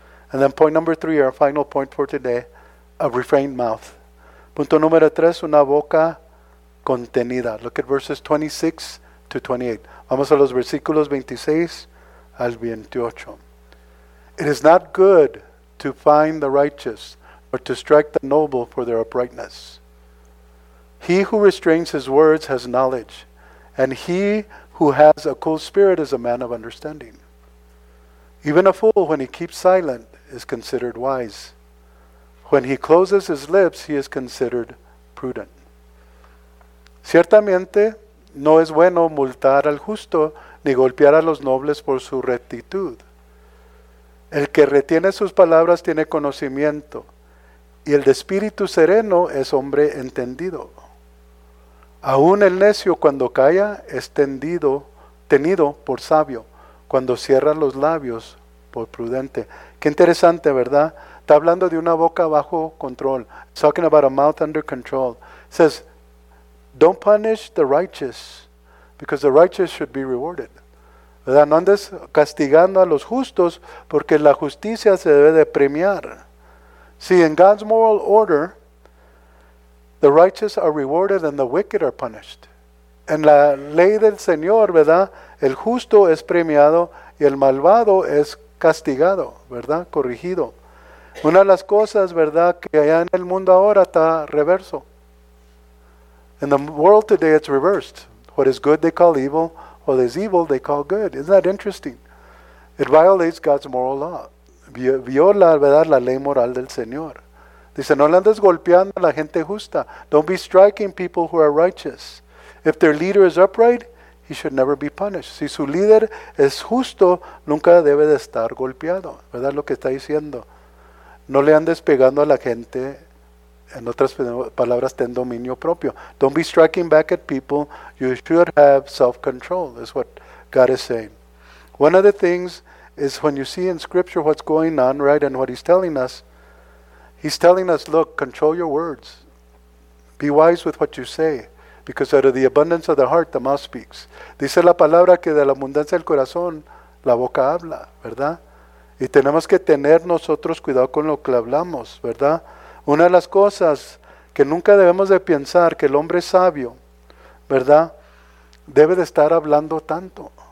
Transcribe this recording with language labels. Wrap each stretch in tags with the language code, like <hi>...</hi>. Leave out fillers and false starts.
<en>And then point number three, our final point for today, a refrained mouth.</en> <es>Punto número tres, una boca contenida.</es> <en>Look at verses 26 to 28.</en> <es>Vamos a los versículos 26 al 28.</es> <en>It is not good to find the righteous or to strike the noble for their uprightness. He who restrains his words has knowledge, and he who has a cool spirit is a man of understanding. Even a fool, when he keeps silent, is considered wise. When he closes his lips, he is considered prudent.</en> <es>Ciertamente, no es bueno multar al justo ni golpear a los nobles por su rectitud. El que retiene sus palabras tiene conocimiento, y el de espíritu sereno es hombre entendido. Aún el necio cuando calla es tenido por sabio, cuando cierra los labios por prudente. Qué interesante, ¿verdad? Está hablando de una boca bajo control.</es> <en>It's talking about a mouth under control. It says, don't punish the righteous, because the righteous should be rewarded.</en> <es>¿Verdad? No andes castigando a los justos, porque la justicia se debe de premiar.</es> <en>See, in God's moral order, the righteous are rewarded and the wicked are punished.</en> <es>En la ley del Señor, ¿verdad? El justo es premiado y el malvado es castigado, ¿verdad? Corregido. Una de las cosas, ¿verdad?, que allá en el mundo ahora está reverso.</es> <en>In the world today, it's reversed. What is good, they call evil. What is evil, they call good. Isn't that interesting? It violates God's moral law.</en> <es>Viola, ¿verdad?, la ley moral del Señor. Dice, no le andes golpeando a la gente justa.</es> <en>Don't be striking people who are righteous. If their leader is upright, he should never be punished.</en> <es>Si su líder es justo, nunca debe de estar golpeado. ¿Verdad lo que está diciendo? No le andes pegando a la gente. En otras palabras, ten dominio propio.</es> <en>Don't be striking back at people. You should have self-control, is what God is saying. One of the things is when you see in Scripture what's going on, right, and what he's telling us, look, control your words. Be wise with what you say, because out of the abundance of the heart, the mouth speaks.</en> <es>Dice la palabra que de la abundancia del corazón, la boca habla, ¿verdad? Y tenemos que tener nosotros cuidado con lo que hablamos, ¿verdad? Una de las cosas que nunca debemos de pensar, que el hombre sabio, ¿verdad?, debe de estar hablando tanto.</es>